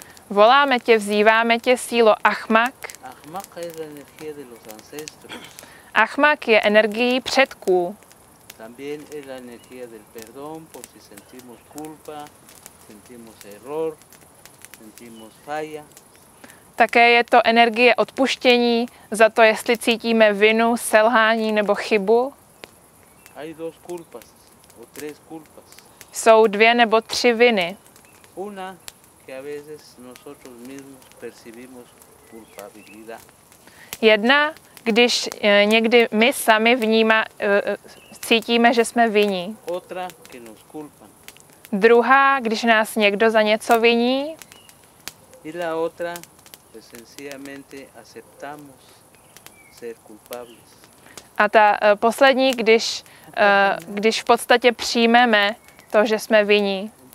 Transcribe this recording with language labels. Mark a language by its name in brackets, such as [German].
[Czech] Voláme tě, vzýváme tě, sílo Achmak. [Spanish] Achmak [Czech] je energie [Spanish] de los ancestros. [Czech] Achmak je energií předků. [Spanish] También es la energía del perdón, por si sentimos culpa, sentimos error, sentimos falla. [Czech] Také je to energie odpuštění za to, jestli cítíme vinu, selhání nebo chybu. [Spanish] Hay dos culpas, o tres culpas. [Czech] Jsou dvě nebo tři viny. [Spanish] Una que a veces nosotros mismos percibimos culpabilidad. [Czech] Jedna, když někdy my sami cítíme, že jsme viní. [Spanish] Otra, que nos culpan. [Czech] Druhá, když nás někdo za něco viní. [Spanish] Y la otra, que sencillamente aceptamos ser culpables. [Czech] A ta poslední, když když v podstatě přijmeme to, že jsme vinní.